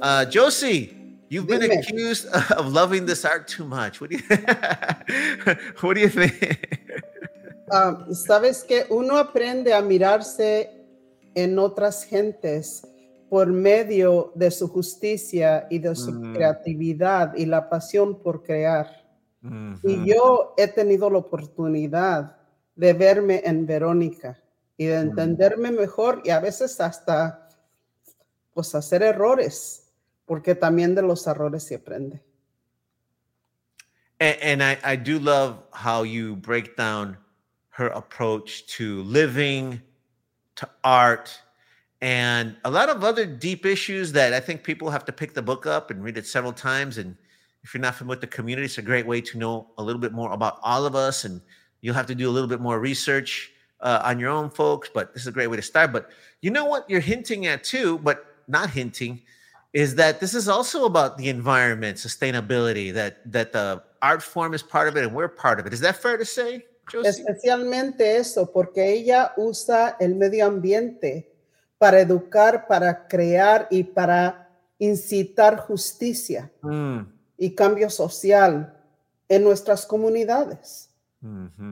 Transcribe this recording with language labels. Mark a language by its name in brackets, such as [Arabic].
[English] Josie, you've been accused of loving this art too much. What do you think? [Spanish] Sabes que uno aprende a mirarse en otras gentes por medio de su justicia y de su creatividad y la pasión por crear. Mm-hmm. Y yo he tenido la oportunidad de verme en Verónica y de entenderme mejor y a veces hasta pues hacer errores. Porque también de los errores se aprende. [English] And I do love how you break down her approach to living, to art, and a lot of other deep issues that I think people have to pick the book up and read it several times. And if you're not familiar with the community, it's a great way to know a little bit more about all of us. And you'll have to do a little bit more research on your own, folks. But this is a great way to start. But you know what you're hinting at too, but not hinting, is that this is also about the environment, sustainability, that the art form is part of it and we're part of it. Is that fair to say, Josie? [Spanish] Especialmente eso, porque ella usa el medio ambiente para educar, para crear y para incitar justicia y cambio social en nuestras comunidades. Uh-huh.